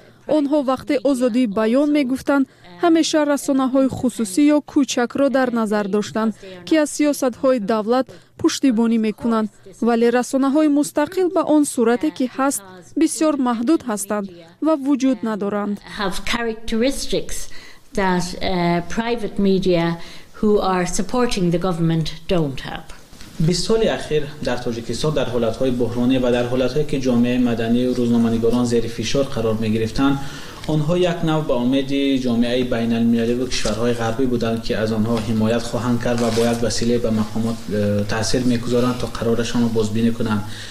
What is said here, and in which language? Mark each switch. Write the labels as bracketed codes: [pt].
[fa] آنها وقتی آزادی بیان می گفتند، همیشه رسانه های خصوصی یا کوچک را در نظر داشتند که از سیاست های دولت پشتیبانی می کنند. ولی رسانه های مستقل به آن صورتی که هست بسیار محدود هستند و وجود ندارند. [en] That private media who are supporting the government don't have. [fa] 20 سال اخیر در تاجیکستان در حالت‌های بحرانی و در حالت‌هایی که جامعه مدنی و روزنامه‌نگاران زیر فشار قرار می‌گرفتند، آنها یک نوع به امید جامعه بین‌المللی و کشورهای غربی بودند که از آنها حمایت خواهند کرد و باید وسیله به مقامات تأثیر می‌گذارند تا قرارشان را بازبینی کنند.